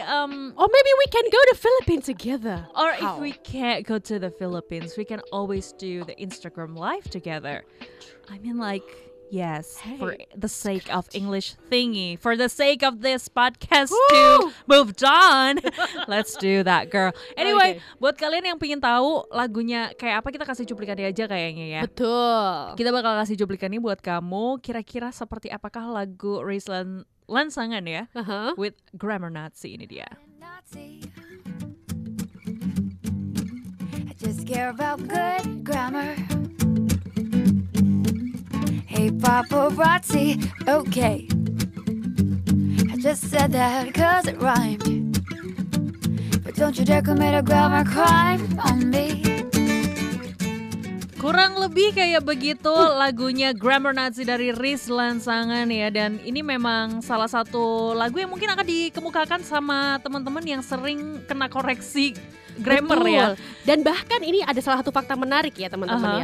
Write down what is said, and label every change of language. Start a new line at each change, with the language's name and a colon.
English: or maybe we can go to Philippines together. Or how? If we can't go to the Philippines, we can always do the Instagram live together. I mean, like, yes, hey, for the sake of English thingy, for the sake of this podcast to move on, let's do that, girl. Anyway, okay.
Indonesian: Buat kalian yang pengen tahu lagunya kayak apa, kita kasih cuplikan dia aja kayaknya ya. Betul. Kita bakal kasih cuplikan ini buat kamu. Kira-kira seperti apakah lagu Raceland? Lansangan ya, with Grammar Nazi, ini dia.
English: I just care about good grammar. Hey paparazzi, okay. I just said that cause it rhymed. But don't you dare commit a grammar crime on me.
Indonesian: Kurang lebih kayak begitu lagunya Grammar Nazi dari Riz Lansangan ya. Dan ini memang salah satu lagu yang mungkin akan dikemukakan sama teman-teman yang sering kena koreksi grammar. Betul. Ya. Dan bahkan ini ada salah satu fakta menarik ya teman-teman ya.